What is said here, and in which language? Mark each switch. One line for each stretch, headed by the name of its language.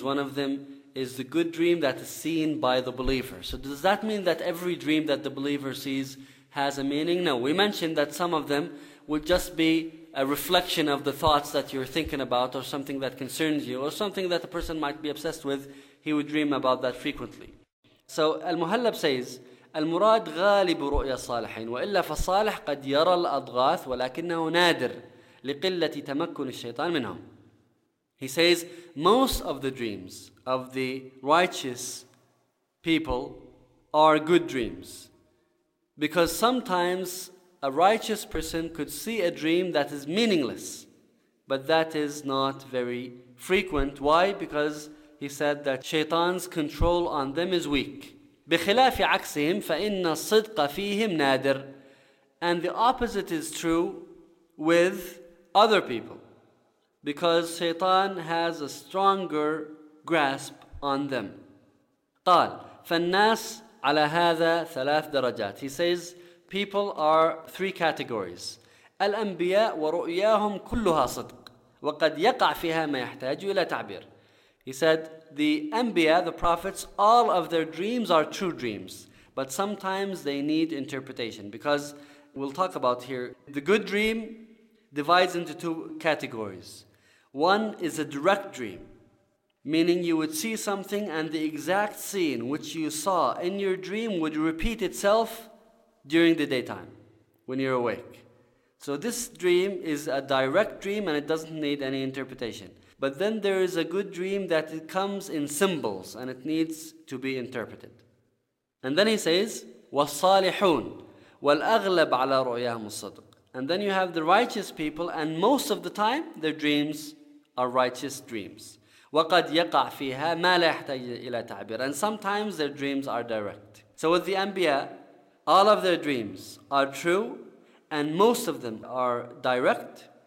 English: One of them is the good dream that is seen by the believer. So does that mean that every dream that the believer sees has a meaning? No, we mentioned that some of them would just be a reflection of the thoughts that you're thinking about, or something that concerns you, or something that a person might be obsessed with. He would dream about that frequently. So Al-Muhallab says,
Arabic: المراد غالب رؤيا الصالحين وإلا فالصالح قد يرى الأضغاث ولكنه نادر لقلة تمكن الشيطان منهم.
English: He says, most of the dreams of the righteous people are good dreams, because sometimes a righteous person could see a dream that is meaningless, but that is not very frequent. Why? Because he said that shaitan's control on them is weak.
Arabic: بِخِلَافِ عَكْسِهِمْ فَإِنَّ الصِّدْقَ فِيهِمْ نَادِرٌ.
English: And the opposite is true with other people, because shaitan has a stronger grasp on them.
Arabic: قال فالناس على هذا 3 درجات.
English: He says, people are 3 categories.
Arabic: الأنبياء ورؤياهم كلها صدق وقد يقع فيها ما يحتاج إلى تعبير.
English: He said, the Anbiya, the prophets, all of their dreams are true dreams, but sometimes they need interpretation, because we'll talk about here, the good dream divides into 2 categories. One is a direct dream, meaning you would see something and the exact scene which you saw in your dream would repeat itself during the daytime when you're awake. So this dream is a direct dream and it doesn't need any interpretation. But then there is a good dream that it comes in symbols and it needs to be interpreted. And then he says,
Arabic: والصالحون والأغلب على رؤياهم الصدق.
English: And then you have the righteous people, and most of the time their dreams are righteous dreams.
Arabic: وَقَدْ يَقَعْ فِيهَا مَا لَا يَحْتَجِ إِلَى تَعْبِيرٍ.
English: And sometimes their dreams are direct. So with the Anbiya, all of their dreams are true and most of them are direct.